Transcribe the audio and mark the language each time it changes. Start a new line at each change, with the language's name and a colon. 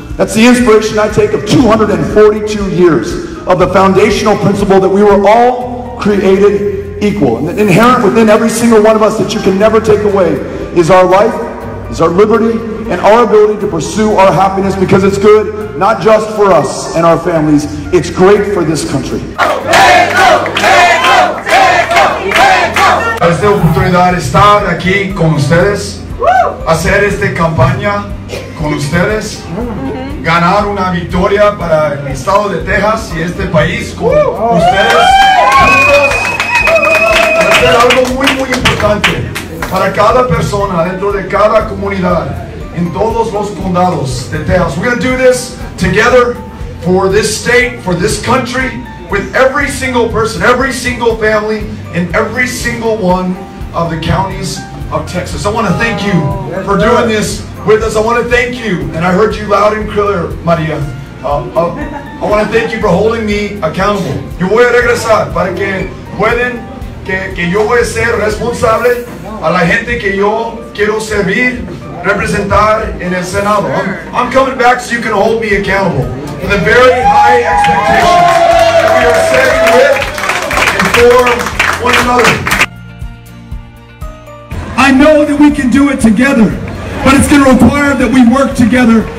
English: That's the inspiration I take of 242 years of the foundational principle that we were all created equal. And that inherent within every single one of us that you can never take away is our life, is our liberty, and our ability to pursue our happiness, because it's good not just for us and our families, it's great for this country.
Spanish: Esta oportunidad de estar aquí con ustedes, hacer esta campaña con ustedes, ganar una victoria para el estado de Texas y este país con ustedes, hacer algo muy muy importante para cada persona dentro de cada comunidad en todos los condados de Texas.
English: We're going to do this together for this state, for this country, with every single person, every single family, in every single one of the counties of Texas. I want to thank you for doing this with us. I want to thank you, and I heard you loud and clear, Maria. I want to thank you for holding me accountable.
Spanish: Yo voy a regresar para que pueden, que yo voy a ser responsable a la gente que yo quiero servir, representar en el Senado.
English: I'm coming back so you can hold me accountable for the very high expectations that we are setting with and for one another. I know that we can do it together, but it's going to require that we work together.